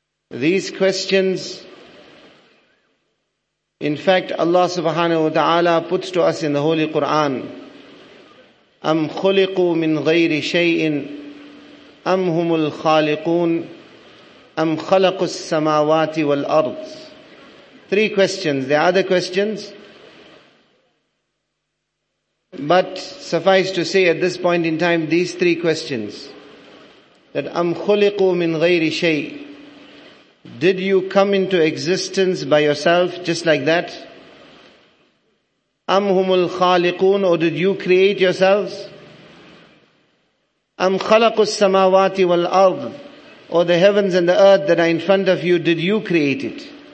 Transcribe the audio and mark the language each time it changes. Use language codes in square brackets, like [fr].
[en] These questions, in fact, Allah subhanahu wa ta'ala puts to us in the Holy Quran, [ar] أَمْ خُلِقُوا مِنْ غَيْرِ شَيْءٍ أَمْ هُمُ الْخَالِقُونَ أَمْ خَلَقُوا السَّمَاوَاتِ وَالْأَرْضِ [en] Three questions. There are other questions. But suffice to say at this point in time, these three questions. [ar] That أَمْ خُلِقُوا مِنْ غَيْرِ شَيْءٍ. [en] Did you come into existence by yourself, just like that? [ar] أَمْ هُمُ الْخَالِقُونَ. [en] Or did you create yourselves? [ar] أَمْ خَلَقُوا السَّمَاوَاتِ وَالْأَرْضِ. [en] Or the heavens and the earth that are in front of you, did you create it?